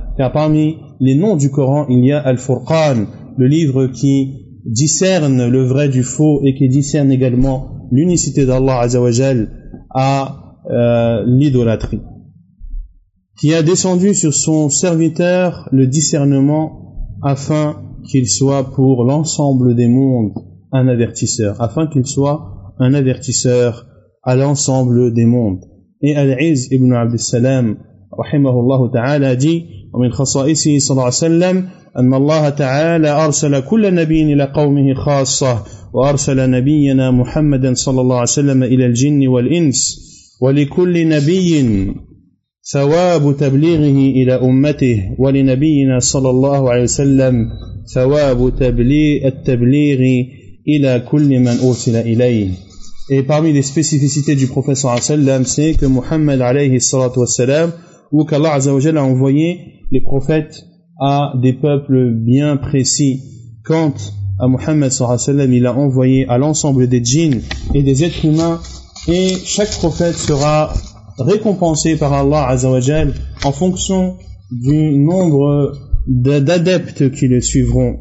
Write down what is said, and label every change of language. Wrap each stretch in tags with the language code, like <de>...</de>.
<fr>Car parmi les noms du Coran, il y a Al-Furqan, le livre qui discerne le vrai du faux et qui discerne également l'unicité d'Allah azza wa jal à l'idolâtrie, qui a descendu sur son serviteur le discernement afin qu'il soit pour l'ensemble des mondes un avertisseur, afin qu'il soit un avertisseur à l'ensemble des mondes. Et Al-Izz ibn Abd al-Salam rahimahullah ta'ala dit:</fr> <ar>ومن خصائصه صلى الله عليه وسلم أن الله تعالى أرسل كل نبي إلى قومه خاصة، وأرسل نبينا محمدا صلى الله عليه وسلم إلى الجن والإنس، ولكل نبي ثواب تبليغه إلى أمته، ولنبينا صلى الله عليه وسلم ثواب التبليغ إلى كل من أرسل إليه.</ar> <fr>Et parmi les spécificités du prophète sallallahu alayhi wa sallam, c'est que Muhammad alayhi sallatu wassalam, ou qu'Allah azza wa jalla a envoyé les prophètes à des peuples bien précis. Quant à Muhammad sallallahu alayhi wa sallam, il a envoyé à l'ensemble des djinns et des êtres humains, et chaque prophète sera récompensé par Allah azza wa jalla en fonction du nombre d'adeptes qui le suivront.</fr>